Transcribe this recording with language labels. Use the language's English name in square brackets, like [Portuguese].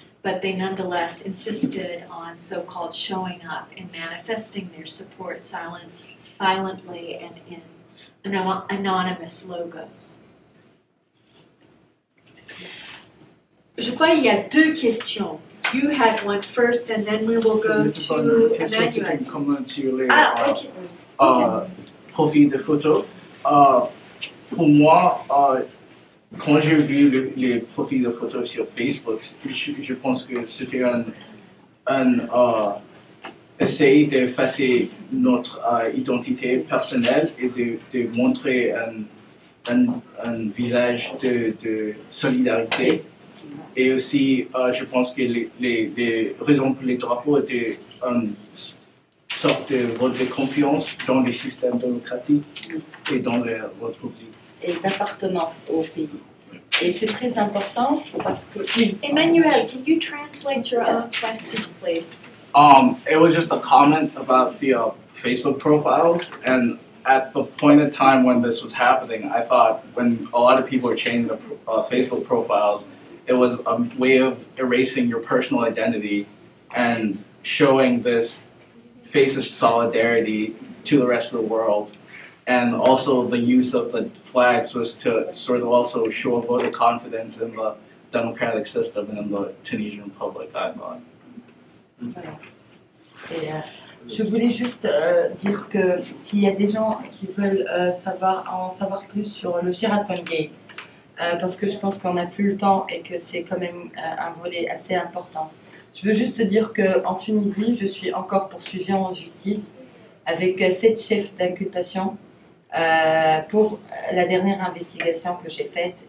[English] But they nonetheless insisted on so-called showing up and manifesting their support silently and in anonymous logos. [French] Je crois qu'il y a deux questions. [English] You had one first, and then we will go to Emmanuel. [French] Profil de photo. Pour moi, Quand j'ai vu les profils de photos sur Facebook, je pense que c'était un essai d'effacer notre identité personnelle et de montrer un visage de solidarité. Et aussi, je pense que les raisons pour les drapeaux étaient une sorte de vote de confiance dans les systèmes démocratiques et dans la République. Et d'appartenance au pays. Et c'est très important parce que... [English] Emmanuel, can you translate your own question, please? It was just a comment about the Facebook profiles. And at the point in time when this was happening, I thought when a lot of people were changing their Facebook profiles, it was a way of erasing your personal identity and showing this face of solidarity to the rest of the world. And also the use of the flags was to sort of also show a vote of confidence in the democratic system and in the Tunisian Republic, I thought. [French] Voilà. Et, je voulais juste dire que s'il y a des gens qui veulent en savoir plus sur le Sheraton Gate, parce que je pense qu'on n'a plus le temps et que c'est quand même un volet assez important. Je veux juste dire qu'en Tunisie, je suis encore poursuivie en justice avec 7 chefs d'inculpation pour la dernière investigation que j'ai faite.